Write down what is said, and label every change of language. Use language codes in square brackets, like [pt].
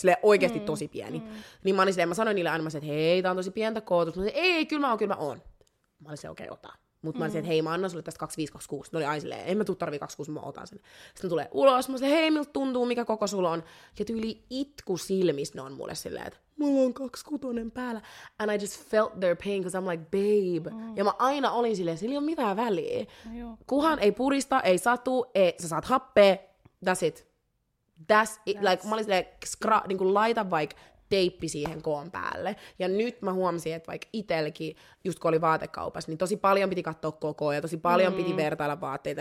[fi] Silleen oikeasti tosi pieni. Niin mä olin silleen, mä sanoin niille aina, että hei, tää on tosi pientä kootusta. Mä sanoin, ei, kyllä mä oon. Mä olin silleen, okei, okay, otan. Mutta mä olin silleen, että hei, mä annan sulle tästä 25-26. Ne oli aina silleen, en mä tuu tarvii 26, mä otan sen. Sitten tulee ulos, mä olin silleen, hei, miltä tuntuu, mikä koko sulla on. Ja tyyli itku silmissä, ne on mulle silleen, että mulla on 26 päällä. [en] And I just felt their pain, because I'm like, babe. [fi] Ja mä aina olin silleen, sillä ei ole mitään väliä. Kuhan ei purista, ei satu, sä saat happea, [en] that's it. [fi] Like, mä olin silleen, niinku laita vaikka teippi siihen koon päälle. Ja nyt mä huomasin, että vaikka itselläkin, just kun oli vaatekaupassa, niin tosi paljon piti katsoa kokoa ja tosi paljon piti vertailla vaatteita.